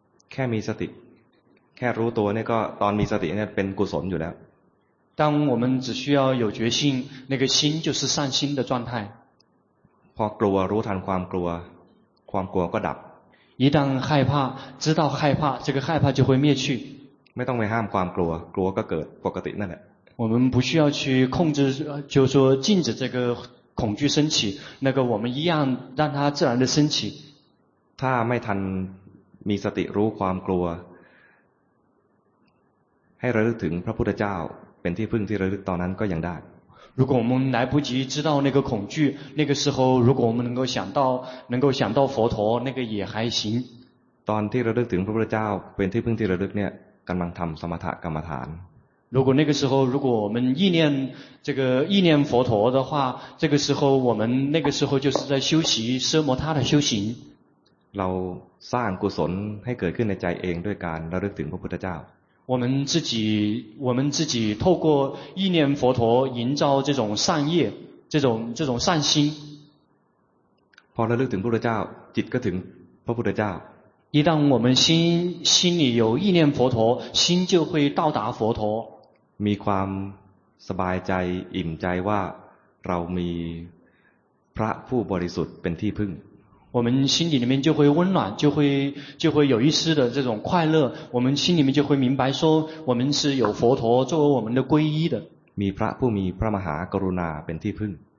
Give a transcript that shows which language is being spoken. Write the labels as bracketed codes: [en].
[th] แค่มีสติแค่รู้ตัวเนี่ยก็ตอนมีสติเนี่ยเป็นกุศลอยู่แล้ว [zh] 当我们只需要有决心那个心就是善心的状态 [th] พอกลัวรู้ทันความกลัวความกลัวก็ดับ [zh] 一旦害怕知道害怕这个害怕就会灭去 [th] ไม่ต้องไปห้ามความกลัวกลัวก็เกิดปกตินั่นแหละ [zh] 我们不需要去控制就是说禁止这个恐惧升起那个我们一样让它自然的升起 [th] ถ้าไม่ทันมีสติรู้ความกลัวให้ระลึกถึงพระพุทธเจ้าเป็นที่พึ่งที่ระลึกตอนนั้นก็ยังได้ [zh] 如果我们来不及知道那个恐惧那个时候如果我们能够想到佛陀那个也还行 [th] ตอนที่ระลึกถึงพระพุทธเจ้าเป็นที่พึ่งที่ระลึกเนี่ยกำลังทำสมถะกรรมฐาน [zh] 如果那个时候如果我们意念这个意念佛陀的话这个时候我们那个时候就是在修习奢摩他的修行 [th] เราสร้างกุศลให้เกิดขึ้นในใจเองด้วยการระลึกถึงพระพุทธเจ้า [zh] 我们自己透过意念佛陀营造这种善业这种善心 [th] พอระลึกถึงพระพุทธเจ้าจิตก็ถึงพระพุทธเจ้า [zh] 一旦我们心里有意念佛陀心就会到达佛陀 [th] มีความ สบายใจอิ่มใจว่าเรามีพระผู้บริสุทธิ์เป็นที่พึ่ง [zh] 我们心底里面就会温暖，就会有一丝的这种快乐。我们心里面就会明白说，我们是有佛陀作为我们的皈依的。 [th] มีพระผู้มีพระมหากรุณาเป็นที่พึ่ง